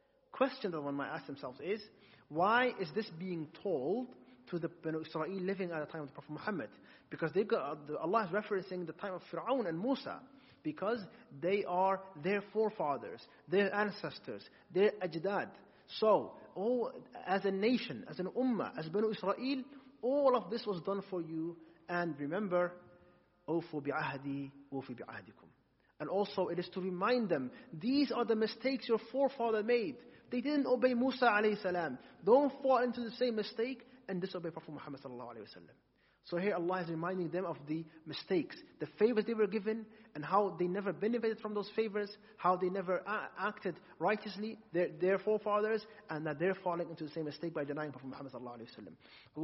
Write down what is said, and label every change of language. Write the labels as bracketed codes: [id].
[en] Question that one might ask themselves is, why is this being told to the Banu Israel living at the time of the Prophet Muhammad? Because they got, Allah is referencing the time of Fir'aun and Musa, because they are their forefathers, their ancestors, their ajdad. So, as a nation, as an ummah, as Banu Israel, all of this was done for you. And remember, [ar] أوفوا بعهدي أوفي بعهدكم. [en] And also, it is to remind them, these are the mistakes your forefather made. They didn't obey Musa alayhi salam. Don't fall into the same mistake and disobey Prophet Muhammad sallallahu alayhi wasallam. So here Allah is reminding them of the mistakes, the favors they were given, and how they never benefited from those favors, how they never acted righteously, their forefathers, and that they're falling into the same mistake by denying Prophet Muhammad sallallahu alaihi wasallam.